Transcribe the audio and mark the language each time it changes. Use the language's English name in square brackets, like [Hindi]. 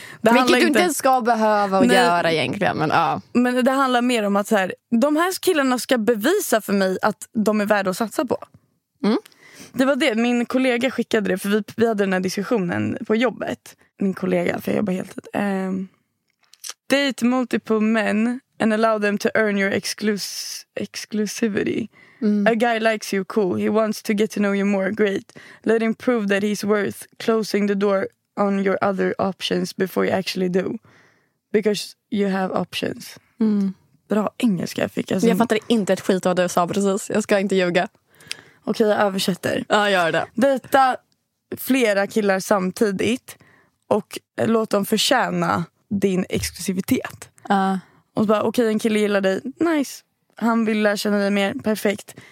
[Swedish] Det vilket du inte ens ska behöva att göra egentligen, men ja. Men det handlar mer om att så här, de här killarna ska bevisa för mig att de är värda att satsa på. Mm. Det var det, min kollega skickade det, för vi hade den här diskussionen på jobbet. Min kollega, för jag jobbar helt tiden. [English] Date multiple men and allow them to earn your exclusivity. Mm. A guy likes you, cool. He wants to get to know you more, great. Let him prove that he's worth closing the door on your other options before you actually do. Because you have options. Mm. [Swedish] Bra engelska jag fick. Jag fattar inte ett skit vad du sa precis. Jag ska inte ljuga. Okej, jag översätter. Ja, gör det. Dejta flera killar samtidigt. Och låt dem förtjäna din exklusivitet. Och så bara, okej, en kille gillar dig. Nice. Han vill lära känna dig mer. Perfekt.